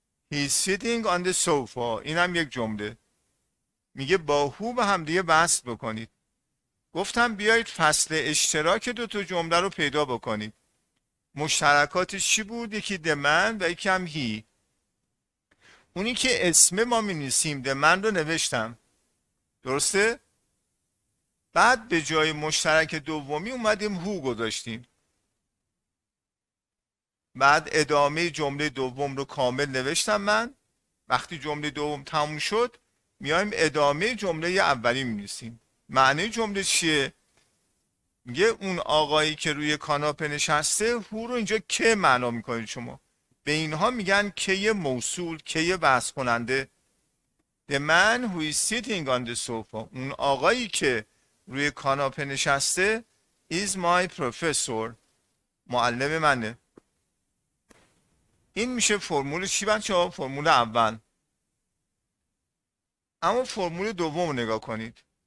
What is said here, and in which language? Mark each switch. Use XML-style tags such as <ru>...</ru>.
<en>He is sitting on the sofa.</en> <fa>اینم یک جمله. میگه با هو به هم دیگه وصل بکنید. گفتم بیایید فصل اشتراک دو تا جمله رو پیدا بکنید. مشترکاتش چی بود؟ یکی the man و یکی هم he. اونی که اسم ما می نویسیم the man رو نوشتم، درسته؟ بعد به جای مشترک دومی اومدیم هو گذاشتیم. بعد ادامه جمله دوم رو کامل نوشتم من. وقتی جمله دوم تموم شد، میایم ادامه جمله اولی می نویسیم. معنی جمله چیه؟ میگه اون آقایی که روی کاناپه نشسته، هو رو اینجا که معنا میکنید شما. به اینها میگن که موصول، که بحث کننده.</fa> <en>The man who is sitting on the sofa.</en> <fa>اون آقایی که روی کاناپه نشسته</fa> <en>is my professor.</en> <fa>معلم منه. این میشه فرمول چی بچه ها؟ فرمول اول. اما فرمول دوم رو نگاه کنید.</fa>